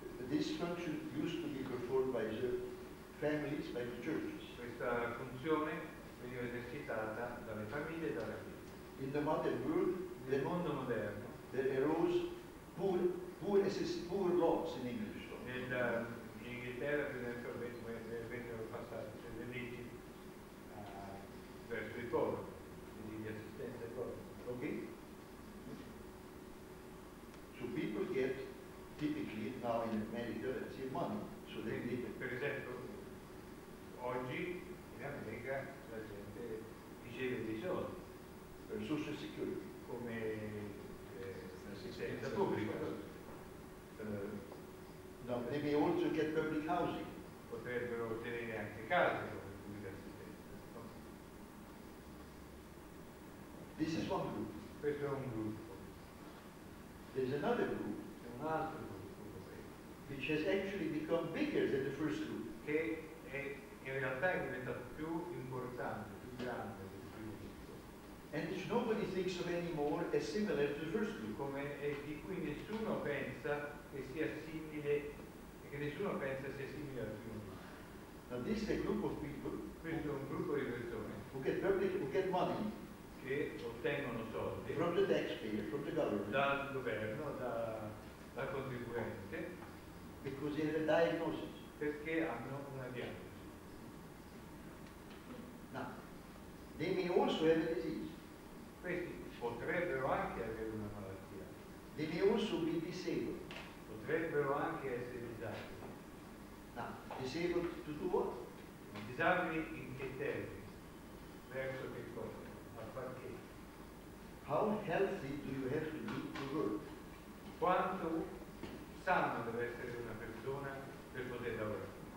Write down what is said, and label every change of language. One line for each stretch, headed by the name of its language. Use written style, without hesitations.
English: This function used to be performed by the families, by the churches.
Italian: Questa funzione veniva esercitata dalle famiglie e dalla chiesa.
English: In the modern world,
Italian: nel mondo moderno,
English: there arose poor laws in English.
Italian: In Inghilterra vennero passate le leggi verso i poveri, di assistenza ai poveri.
English: Ok? So people get typically now in America their money. So they need it.
Italian: Per esempio, oggi in America la gente riceve dei soldi.
English: Per social security.
Italian: Come assistenza pubblica.
English: No, they may also get public housing.
Italian: Potrebbero ottenere anche case come pubblica assistenza.
English: This is one group.
Italian: Questo è un gruppo.
English: There's another group.
Italian: C'è un altro gruppo.
English: Which has actually become bigger than the first group.
Italian: Che è in realtà è diventato più importante, più grande del primo gruppo.
English: And which nobody thinks of anymore as similar to the first group.
Italian: Come e di cui nessuno pensa che sia simile, che nessuno pensa sia simile al primo.
English: Now this is a group of people.
Italian: Questo è un gruppo di persone.
English: Who get money.
Italian: Che ottengono soldi.
English: From the taxpayer, from the government.
Italian: Dal governo, da contribuente.
English: Because they have a diagnosis.
Italian: Perché hanno una diagnosi.
English: Now, they may also have a disease.
Italian: Questi potrebbero anche avere una malattia.
English: They may also be disabled.
Italian: Potrebbero anche essere disabili.
English: No, disabled to do what?
Italian: Disabili in che termini? Verso che cosa? A far che?
English: How healthy do you have to be to work?
Italian: Quanto sano deve essere una persona per poter lavorare?